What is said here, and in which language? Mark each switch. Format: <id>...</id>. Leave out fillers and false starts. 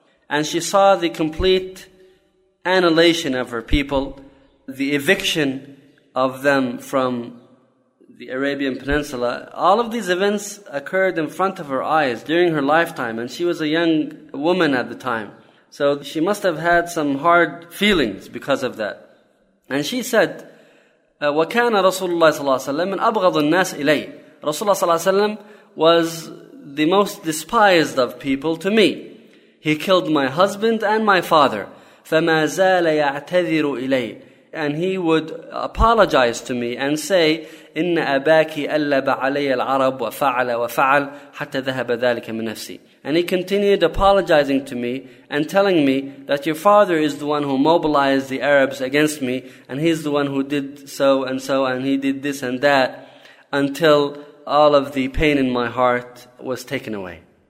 <en>And she saw the complete annihilation of her people, the eviction of them from the Arabian Peninsula. All of these events occurred in front of her eyes during her lifetime, and she was a young woman at the time. So she must have had some hard feelings because of that. And she said,</en> <ar>وَكَانَ رَسُولُ اللَّهِ صَلَّى اللَّهُ عَلَيْهِ وَسَلَّمَ مِنْ أَبْغَضُ النَّاسِ إِلَيْهِ</ar> <en>Rasulullah صلى الله عليه وسلم was the most despised of people to me. He killed my husband and my father.</en> <ar>فَمَا زَالَ يَعْتَذِرُ إِلَيْهِ</ar> <en>And he would apologize to me and say,</en> <ar>إِنَّ أَبَاكِ أَلَّبَ عَلَيَّ الْعَرَبُ وَفَعَلَ وَفَعَلَ حَتَّى ذَهَبَ ذَلِكَ مِنْ نَفْسِي</ar> <en>And he continued apologizing to me and telling me that your father is the one who mobilized the Arabs against me, and he's the one who did so and so, and he did this and that, until all of the pain in my heart was taken away.</en>